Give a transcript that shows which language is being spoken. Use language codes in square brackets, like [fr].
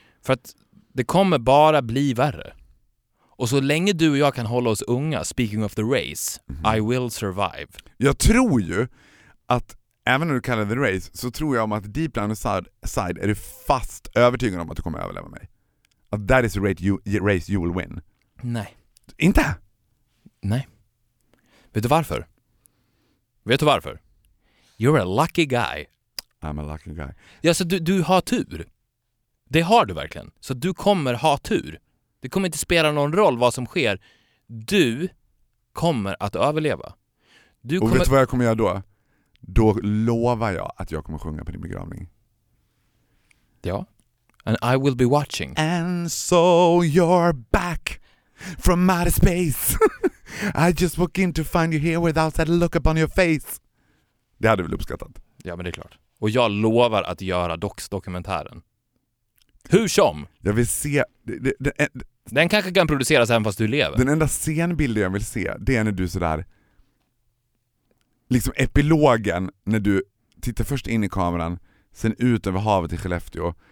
[sv] För att det kommer bara bli värre. Och så länge du och jag kan hålla oss unga, [en] speaking of the race, I will survive. [sv] Jag tror ju att även när du kallar det [en] the race, [sv] så tror jag om att [en] deep down inside [sv] är du fast övertygad om att du kommer överleva mig. Att [en] that is the race you will win. [sv] Nej. Inte? Nej. Vet du varför? Vet du varför? [en] You're a lucky guy. I'm a lucky guy. [sv] Ja, så du har tur. Det har du verkligen. Så du kommer ha tur. Det kommer inte spela någon roll vad som sker. Du kommer att överleva. Och vet du vad jag kommer göra då? Då lovar jag att jag kommer sjunga på din begravning. [en] Ja. And I will be watching. And so you're back from outer space. I just walk in to find you here without that look upon your face. [sv] Det hade du väl uppskattat. Ja, men det är klart. Och jag lovar att göra dokumentären. Hur som? Jag vill se... Den kanske kan produceras även fast du lever. Den enda scenbilden jag vill se, det är när du sådär... Liksom epilogen, när du tittar först in i kameran, sen ut över havet i Skellefteå.